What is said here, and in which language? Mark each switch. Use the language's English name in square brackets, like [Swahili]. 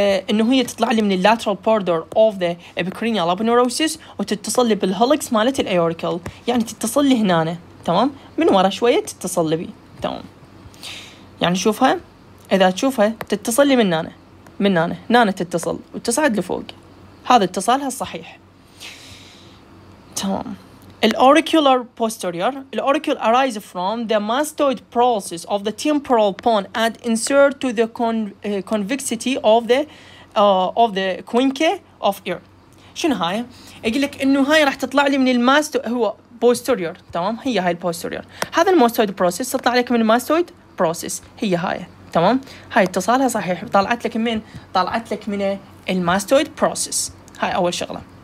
[Arabic] انه هي تطلع لي من اللاترال بوردر اوف ذا ابيكرينيال ابنوروسيس وتتصل لي بالهيلكس مالت الايوريكل يعني تتصل لي هنا تمام من ورا شويه تتصل لي تمام يعني شوفها اذا تشوفها تتصل لي من هنا تتصل وتصعد لفوق هذا اتصالها الصحيح تمام. [English] الأوريكولار بوستيريور الأوريكول arises from the mastoid process of the temporal bone and insert to the convexity of the quinque of ear. [Arabic] شنو هاي؟ أقول لك إنه هاي راح تطلع لي من الماستو هو بوستيريور تمام هي هاي البوستيريور هذا الماستويد بروسيس تطلع لك من الماستويد بروسيس هي هاي تمام هاي اتصالها صحيح طلعت لك من الماستويد بروسيس هاي أول شغلة